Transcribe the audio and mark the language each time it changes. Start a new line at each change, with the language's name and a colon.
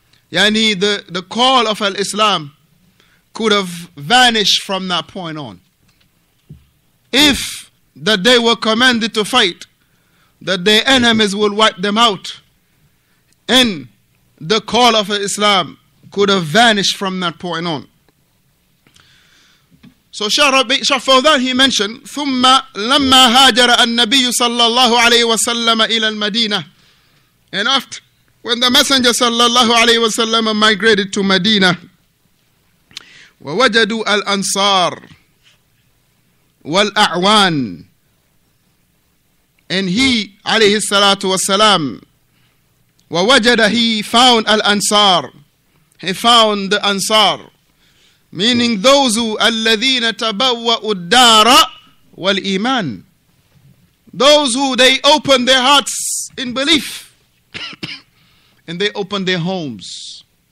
English: Yani the call of al-Islam could have vanished from that point on. If that they were commanded to fight, that their enemies will wipe them out, and the call of Islam could have vanished from that point on. So Shaykh Fawzan, he mentioned,
Arabic: ثُمَّ لَمَّا هَاجَرَ النَّبِيُّ صَلَّى اللَّهُ عَلَيْهِ وَسَلَّمَ إِلَى الْمَدِينَةِ.
English: And after, when the Messenger
Arabic: صلى الله عليه وسلم
English: migrated to Medina,
Arabic: وَوَجَدُوا الْأَنصَارِ وَالْأَعْوَانِ,
English: and he,
Arabic: عليه الصلاة والسلام,
English: وَوَجَدَ, he found الْأَنصَارِ, he found the Ansar, meaning those who,
Arabic: الَّذِينَ تَبَوَّأُ الدَّارَ وَالْإِيمَانِ,
English: those who they opened their hearts in belief, and they opened their homes.